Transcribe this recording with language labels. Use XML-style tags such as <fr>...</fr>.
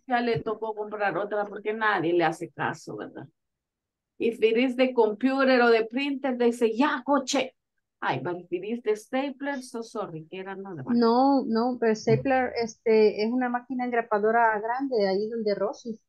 <es>ya le tocó comprar otra porque nadie le hace caso, ¿verdad?</es> <en>If it is the computer o the printer, they say,</en> <es>ya, coche.</es> <en>Ay, but if it is the stapler, so sorry,</en> <es>que era nada más. No, no, pero stapler este, es una máquina engrapadora grande, ahí donde Rosy.</es>